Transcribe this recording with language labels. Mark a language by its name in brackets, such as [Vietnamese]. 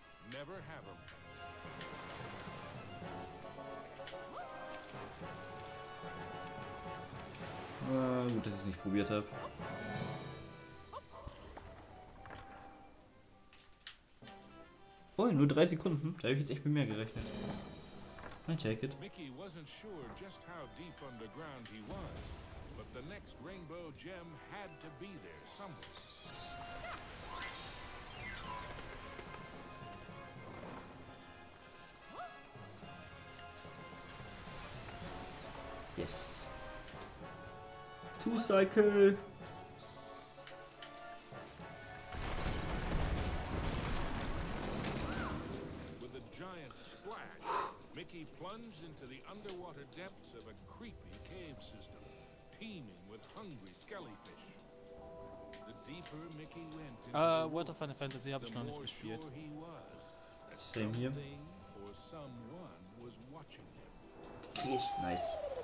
[English] Never have them. [German] Gut, dass ich es nicht probiert habe. Oh, nur 3 Sekunden. Da habe ich jetzt echt mit mehr gerechnet. [English] I take it. Mickey wasn't sure just how deep underground he was, but the next rainbow gem had to be there somewhere. Yes. Two cycle. With a giant splash, Mickey plunged into the underwater depths of a creepy cave system, teeming with hungry skellyfish. The deeper Mickey went into the [German] World of Final Fantasy habe ich noch nicht gespielt. [English] Sure he was, same here. Or someone was watching him. Fish, nice.